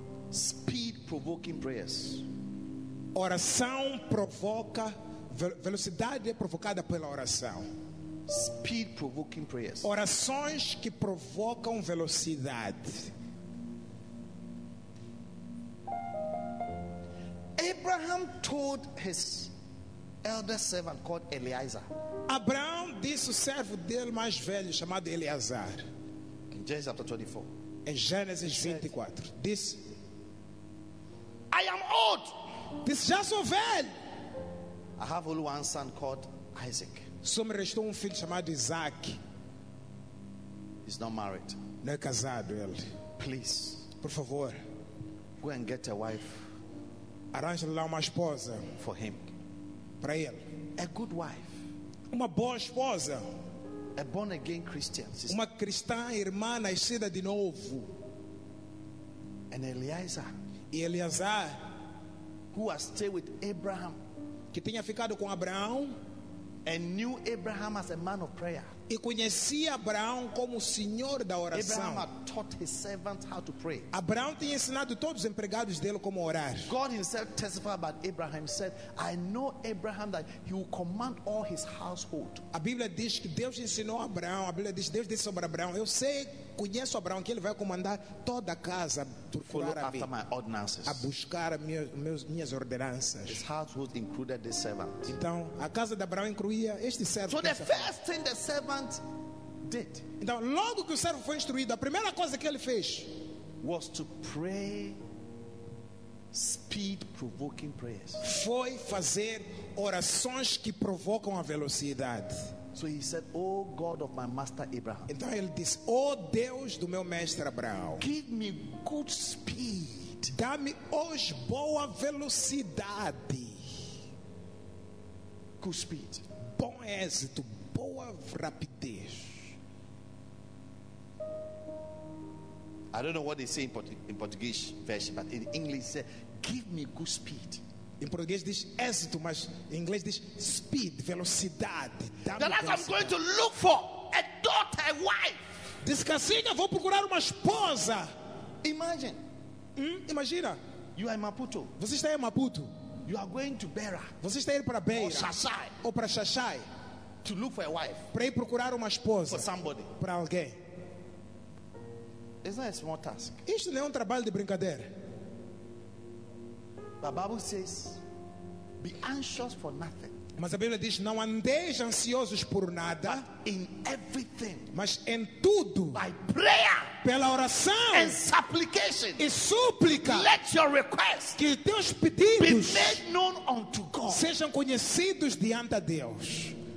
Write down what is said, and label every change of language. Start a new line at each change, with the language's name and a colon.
English: Speed provoking prayers.
Portuguese: Oração provoca velocidade é provocada pela oração.
English: Speed provoking prayers.
Portuguese: Orações que provocam velocidade.
English: Abraham told his elder servant called Eleazar.
Portuguese: Abraão disse ao servo dele mais velho chamado Eleazar.
English: In Genesis chapter 24.
Portuguese: Em Gênesis 24. Disse:
English: I am old.
Portuguese: Disse: já sou velho.
English: I have only one son called Isaac.
Portuguese: Só me restou filho chamado Isaac.
English: He's not married.
Portuguese: Não é casado ele.
English: Please.
Portuguese: Por favor.
English: Go and get a wife.
Portuguese: Arranje lá uma esposa
English: for him.
Portuguese: Para ele.
English: A good wife.
Portuguese: Uma boa esposa.
English: A born again Christian. Sister.
Portuguese: Uma cristã irmã nascida de novo.
English: And Eliezer.
Portuguese: E Eliezer,
English: who has stayed with Abraham.
Portuguese: Que tinha ficado com Abraão.
English: And knew Abraham as a man of prayer.
Portuguese: E conhecia Abraão como o senhor da oração.
English: Abraham had taught his servants how to pray.
Portuguese: Abraão tinha ensinado todos os empregados dele como orar.
English: God himself testified about Abraham, said, I know Abraham that he will command all his household.
Portuguese: A Bíblia diz que Deus ensinou Abraão. A Bíblia diz que Deus disse sobre Abraão: eu sei, conheço Abraão, que ele vai comandar toda a casa.
English: Follow after my ordinances.
Portuguese: A buscar minhas ordenanças.
English: His household included the servant.
Portuguese: Então, a casa de Abraão incluía este servo.
English: So the first thing the servant did.
Portuguese: Então, logo que o servo foi instruído, a primeira coisa que ele fez
English: was to pray speed provoking prayers.
Portuguese: Foi fazer orações que provocam a velocidade.
English: So he said, "Oh God of my master Abraham."
Portuguese: Então ele disse: "Oh Deus do meu mestre Abraão."
English: Give me good speed.
Portuguese: Dá-me hoje boa velocidade.
English: Good speed.
Portuguese: Bom êxito, boa rapidez.
English: I don't know what they say in Portuguese version, but in English it says, "Give me good speed."
Portuguese: Em português diz êxito, mas em inglês diz speed, velocidade.
English: That I'm going to look for a daughter, a wife.
Portuguese: Diz que assim eu vou procurar uma esposa.
English: Imagine.
Portuguese: Imagina.
English: You are in Maputo.
Portuguese: Você está em Maputo.
English: You are going to Beira.
Portuguese: Você está indo para Beira.
English: Or Xaxai.
Portuguese: Ou para Xaxai.
English: To look for a wife.
Portuguese: Para ir procurar uma esposa.
English: For somebody.
Portuguese: Para alguém.
English: It's not a small task.
Portuguese: Isto não é trabalho de brincadeira.
English: The Bible says, be anxious for nothing.
Portuguese: Mas a Bíblia diz: não andeis ansiosos por nada.
English: But in everything,
Portuguese: mas em tudo,
English: by prayer,
Portuguese: pela oração,
English: and supplication,
Portuguese: e súplica,
English: let your requests,
Portuguese: que teus pedidos,
English: be made known unto God,
Portuguese: sejam conhecidos diante a Deus.